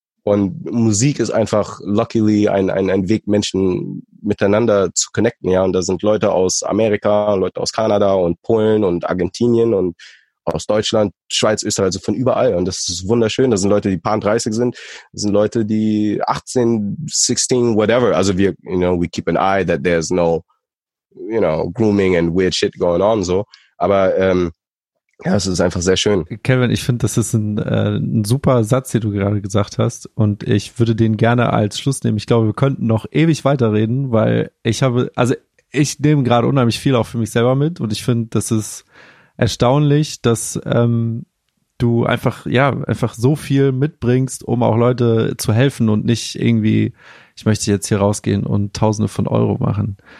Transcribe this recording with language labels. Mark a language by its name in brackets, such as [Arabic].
[German] Und Musik ist einfach [English] luckily [German] ein Weg, Menschen miteinander zu connecten. Ja, und da sind Leute aus Amerika, Leute aus Kanada und Polen und Argentinien und aus Deutschland, Schweiz, Österreich, also von überall. Und das ist wunderschön. Das sind Leute, die paar 30 sind. Das sind Leute, die 18, 16, [English] whatever. [German] Also wir, [English] you know, we keep an eye that there's no, you know, grooming and weird shit going on, so. [German] Aber, ja, es ist einfach sehr schön. Kelvyn, ich finde, das ist ein super Satz, den du gerade gesagt hast. Und ich würde den gerne als Schluss nehmen. Ich glaube, wir könnten noch ewig weiterreden, weil ich habe, also ich nehme gerade unheimlich viel auch für mich selber mit. Und ich finde, das ist erstaunlich, dass du einfach, ja, einfach so viel mitbringst, um auch Leute zu helfen und nicht irgendwie, ich möchte jetzt hier rausgehen und Tausende von Euro machen.